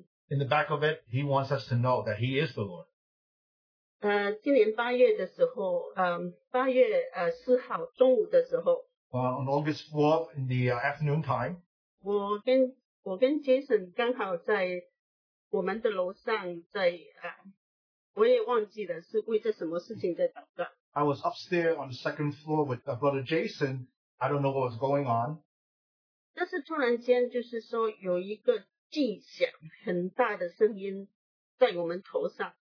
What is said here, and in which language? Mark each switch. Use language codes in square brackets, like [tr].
[en] In the back of it, he wants us to know that he is the Lord. [zh] 今年8月的时候，8月4号中午的时候， [en] On August 4th in the afternoon time, [zh] 我跟 Jason 刚好在我们的楼上在 [en] I was upstairs on the second floor with Brother Jason. I don't know what was going on. [zh] 但是突然间就是说有一个巨响，很大的声音在我们头上。